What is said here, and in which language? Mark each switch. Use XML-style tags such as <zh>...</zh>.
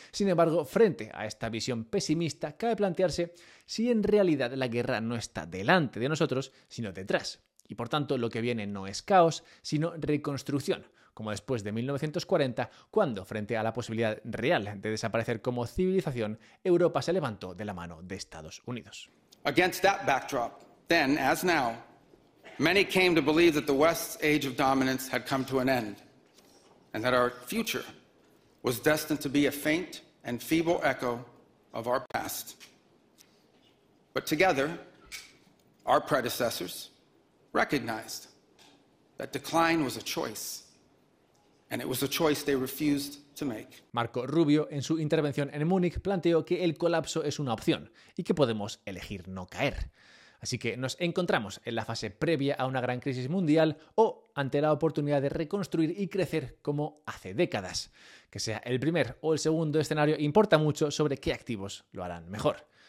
<es>Sin embargo, frente a esta visión pesimista, cabe plantearse si en realidad la guerra no está delante de nosotros, sino detrás. Y por tanto, lo que viene no es caos, sino reconstrucción. Como después de 1940, cuando, frente a la posibilidad real de desaparecer como civilización, Europa se levantó de la mano de Estados Unidos.</es> <en>Against that backdrop, then, as now, many came to believe that the West's age of dominance had come to an end, and that our future was destined to be a faint and feeble echo of our past. But together, our predecessors recognized that decline was a choice. And it was a choice they refused to make.</en> <es>Marco Rubio, en su intervención en Múnich, planteó que el colapso es una opción y que podemos elegir no caer. Así que nos encontramos en la fase previa a una gran crisis mundial o ante la oportunidad de reconstruir y crecer como hace décadas. Que sea el primer o el segundo escenario importa mucho sobre qué activos lo harán mejor.</es>